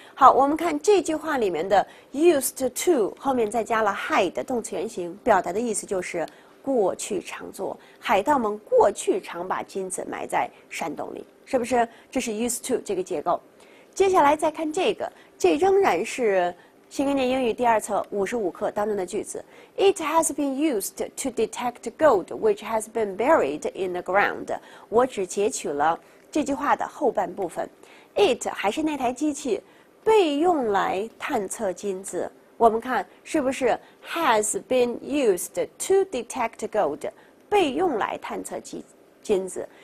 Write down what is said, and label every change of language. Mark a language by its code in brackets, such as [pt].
[zh] 好，我们看这句话里面的 used to 后面再加了 hide 动词原形，表达的意思就是过去常做，海盗们过去常把金子埋在山洞里，是不是？这是 used to 这个结构。接下来再看这个，这仍然是新概念英语第二册55课当中的句子。 [en] It has been used to detect gold which has been buried in the ground. [zh] 我只截取了这句话的后半部分。It 还是那台机器，被用来探测金子。我们看是不是 [en] has been used to detect gold， [zh] 被用来探测金子。